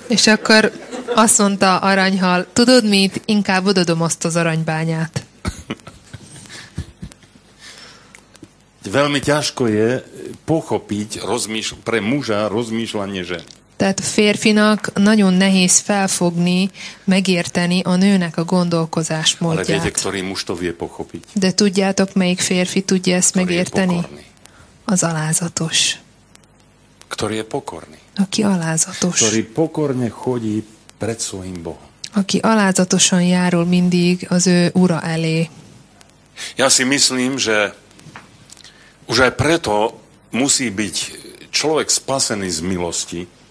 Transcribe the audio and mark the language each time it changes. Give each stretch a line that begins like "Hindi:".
Hungarian: És akkor azt mondta aranyhal, tudod mit, inkább odadom azt az aranybányát.
Slovak: Veľmi ťažko je pochopiť pre muža rozmýšľanie ženy.
Hungarian: Tehát a férfinak nagyon nehéz felfogni, megérteni a nőnek a gondolkozásmódját.
Slovak: Ale viete, ktorý muž to vie pochopiť.
Hungarian: De tudjátok, melyik férfi tudja ezt
Slovak: ktorý
Hungarian: megérteni?
Slovak: Pokorný.
Hungarian: Az alázatos.
Slovak: Ktorý je pokorný.
Hungarian: Aki alázatos.
Slovak: Ktorý pokorne chodí pred svojim Bohom.
Hungarian: Aki alázatosan járul mindig az ő ura elé.
Slovak: Ja si myslím, že už aj preto musí byť človek spasený z milosti.